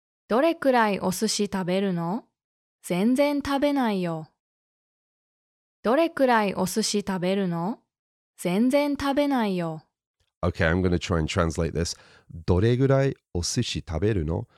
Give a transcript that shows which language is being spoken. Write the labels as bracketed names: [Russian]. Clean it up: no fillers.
[Japanese] どれくらいお寿司食べるの?全然食べないよ。どれくらいお寿司食べるの? 全然食べないよ。 [English] Okay, I'm going to try and translate this. [Japanese] どれぐらいお寿司食べるの?